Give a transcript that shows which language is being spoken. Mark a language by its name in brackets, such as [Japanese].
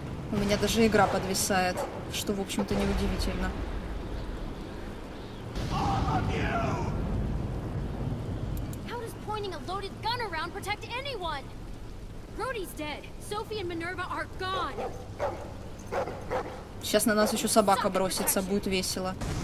[Russian] У меня даже игра подвисает, что, в общем-то, неудивительно. [English] How does pointing a loaded gun around protect anyone? Brody's dead. Sophie and Minerva are gone. [Russian] Сейчас на нас еще собака бросится, будет весело.